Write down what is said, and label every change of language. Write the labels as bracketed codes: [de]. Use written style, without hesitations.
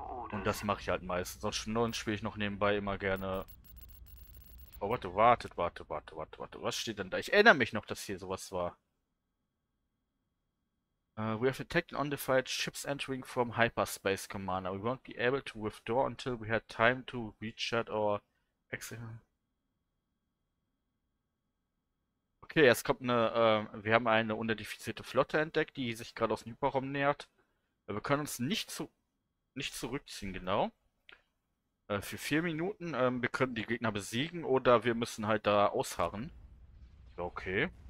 [de] Und das mache ich halt meistens. Sonst spiele ich noch nebenbei immer gerne. Oh, warte, warte, warte, warte, warte, warte. Was steht denn da? Ich erinnere mich noch, dass hier sowas war. [en] We have detected undefined ships entering from Hyperspace Commander. We won't be able to withdraw until we had time to recharge our Exit. [de] Okay, es kommt eine. Wir haben eine unidentifizierte Flotte entdeckt, die sich gerade aus dem Hyperraum nähert. Wir können uns nicht zurückziehen, genau. Für 4 Minuten. Wir können die Gegner besiegen oder wir müssen halt da ausharren. Okay.